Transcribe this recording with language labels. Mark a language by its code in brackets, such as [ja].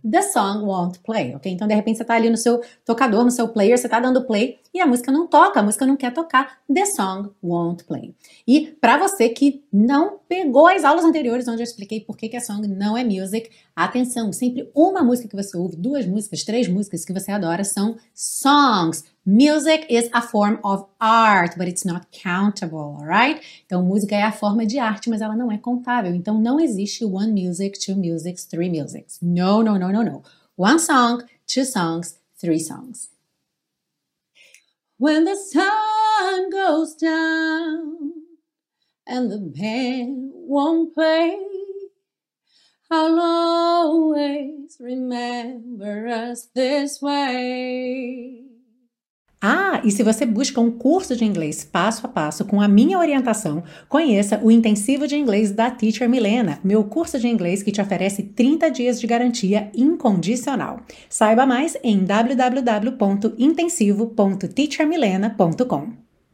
[en] The song won't play, ok? [pt] Então, de repente, você tá ali no seu tocador, no seu player, você tá dando play e a música não toca, a música não quer tocar. [en] The song won't play. [pt] E para você que não pegou as aulas anteriores onde eu expliquei por que a song não é music, atenção, sempre uma música que você ouve, duas músicas, três músicas que você adora são songs. [en] Music is a form of art, but it's not countable, alright? [pt] Então, música é a forma de arte, mas ela não é contável. Então, não existe one music, two musics, three musics. [en] No, no, no, no, no. One song, two songs, three songs. When the sun goes down and the band won't play, I'll always remember us this way. [pt] Ah, e se você busca um curso de inglês passo a passo com a minha orientação, conheça o Intensivo de Inglês da Teacher Milena, meu curso de inglês que te oferece 30 dias de garantia incondicional. Saiba mais em www.intensivo.teachermilena.com.